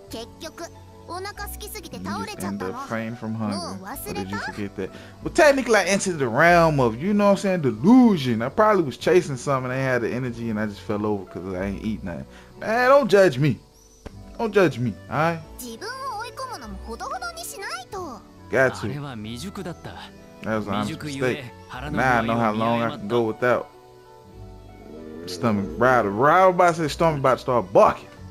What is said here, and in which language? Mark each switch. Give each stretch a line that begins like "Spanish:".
Japanese: 結局、お腹空きすぎて倒れちゃったの。
English: You just end up praying from hunger.
Japanese: もう忘れた?
English: Or did you forget that? Well, technically, I entered the realm of, you know what I'm saying, delusion. I probably was chasing something and I had the energy and I just fell over because I ain't eat nothing. Man, don't judge me. Don't judge me, alright?
Japanese: 自分を追い込むのもほどほどにしないと。
English: Got to.
Japanese: あれは未熟だった。
English: That was an honest mistake. Now I know how long I can go without. Stomach, right about to say stomach about to start barking.